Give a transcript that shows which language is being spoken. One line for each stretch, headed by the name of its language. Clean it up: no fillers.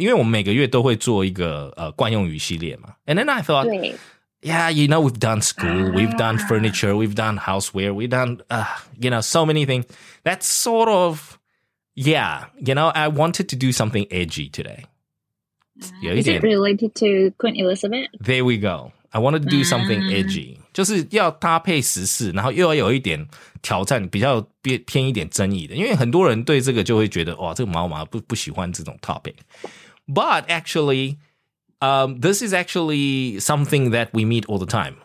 Chinese: 因为我们每个月都会做一个惯用语系列嘛。
English: And then I thought, yeah, you know, we've done school, we've done furniture, we've done houseware, we've done, you know, so many things. That's sort of, yeah, you know, I wanted to do something edgy today. Is it related to Queen Elizabeth? There we go. I wanted to do something edgy.
Chinese: 就是要搭配时事，然后又要有一点挑战，比较偏一点争议的，因为很多人对这个就会觉得，哇，这个毛不喜欢这种 topic.
English: But actually, this is actually something that we meet all the time.